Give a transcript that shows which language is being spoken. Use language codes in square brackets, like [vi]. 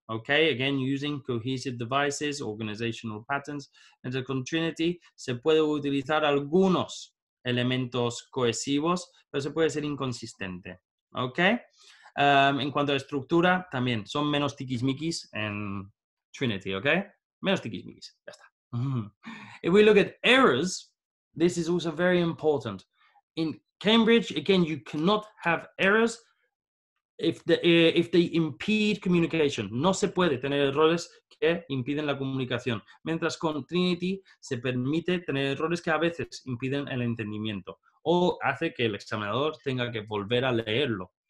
[en] Okay, again, using cohesive devices, organizational patterns. [es] Entonces, con Trinity se puede utilizar algunos elementos cohesivos, pero se puede ser inconsistente. Okay, en cuanto a estructura, también son menos tiquismiquis en Trinity. Okay, menos tiquismiquis, ya está. [en] If we look at errors, this is also very important. In Cambridge, again, you cannot have errors if they impede communication. [es] No se puede tener errores que impiden la comunicación. Mientras con Trinity se permite tener errores que a veces impiden el entendimiento o hace que el examinador tenga que volver a leerlo.